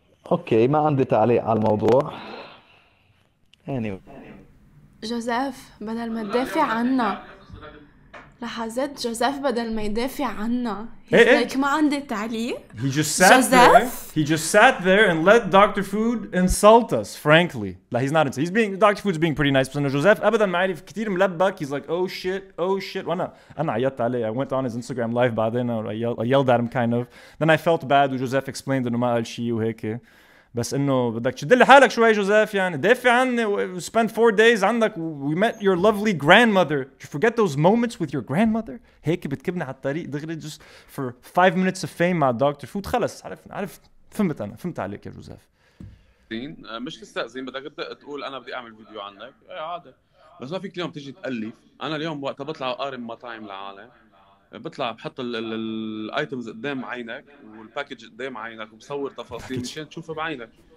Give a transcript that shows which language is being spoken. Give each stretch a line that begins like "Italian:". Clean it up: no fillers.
Arabic: اوكي ما عندي تعليق على الموضوع.
English: Anyway.
Arabic: جوزيف بدل ما تدافع عنا لحظات جوزيف بدل ما يدافع عنا ما عندي تعليق.
English: He just sat there. He just sat there and let Dr. Food insult us, frankly. Like he's not insulting. He's being Dr. Food's being pretty nice. But no, Joseph.
Arabic: أبدا ما عارف كتير ملبك.
English: He's like, oh shit, oh shit.
Arabic: وأنا عيطت عليه.
English: I went on his Instagram live
Arabic: بعدين.
English: I yelled at him kind of. Then I felt bad.
Arabic: وJoseph explained إنه ما قال شيء وهيك. بس إنه بدك تدل حالك شوي جوزيف يعني دافع عني.
English: Spent 4 days
Arabic: عندك.
English: We met your lovely grandmother. Did you forget those moments with your grandmother?
Arabic: هيك بتكبني على الطريق دغري
English: just for 5 minutes of fame
Arabic: مع دكتور فود. خلص عارف فهمت أنا فهمت عليك يا جوزيف. زين مش تستأذن بدك تقول أنا بدي أعمل فيديو عنك. إيه عادة بس ما فيك اليوم تيجي تألف. أنا اليوم وقتها بطلع أقارن مطاعم العالم بطلع بحط الايتمز قدام عينك والباكج قدام عينك وبصور تفاصيل مشان تشوفها بعينك.